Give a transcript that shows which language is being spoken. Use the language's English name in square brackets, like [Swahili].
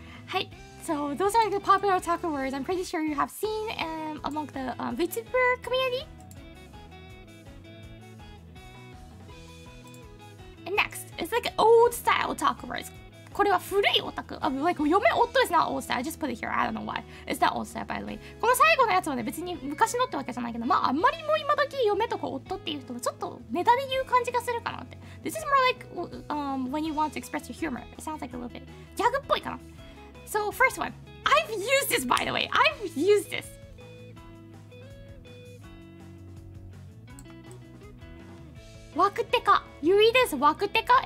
[English] Hi, so those are the popular otaku words I'm pretty sure you have seen among the VTuber community. And next, it's like old style otaku words. [Japanese] これは古いオタク。 [English] Like, 嫁夫 is not old style. I just put it here. I don't know why. It's not old style, by the way. [Japanese] この最後のやつはね、別に昔のってわけじゃないけど、まあ、あんまりも今時嫁とか夫っていう人はちょっとネタで言う感じがするかなって。 [English] This is more like when you want to express your humor. It sounds like a little bit [Japanese] ギャグっぽいかな。 [English] So, first one. I've used this, by the way. I've used this. わくてか.You read this, わくてか.